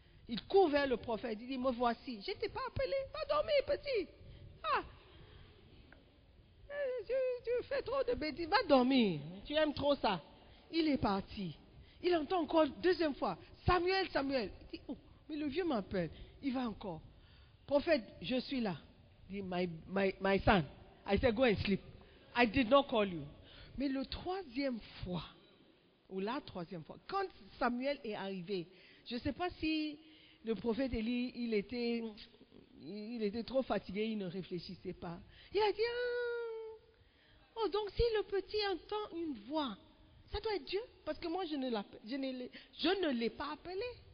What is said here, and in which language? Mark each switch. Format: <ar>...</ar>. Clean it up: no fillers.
<fr>Il court vers le prophète, il dit, me voici. Je n'étais pas appelé, pas dormi, petit. Ah, tu fais trop de bêtises, va dormir, tu aimes trop ça. Il est parti. Il entend encore deuxième fois, Samuel, Samuel. Il dit, oh, mais le vieux m'appelle. Il va encore. Prophète, je suis là. Il dit,</fr> <en>my son, I said, go and sleep. I did not call you.</en> <fr>Mais le troisième fois, ou la troisième fois, quand Samuel est arrivé, je ne sais pas si le prophète Élie, il était trop fatigué, il ne réfléchissait pas. Il a dit, ah, oh, donc si le petit entend une voix, ça doit être Dieu, parce que moi je ne l'ai pas appelé.</fr>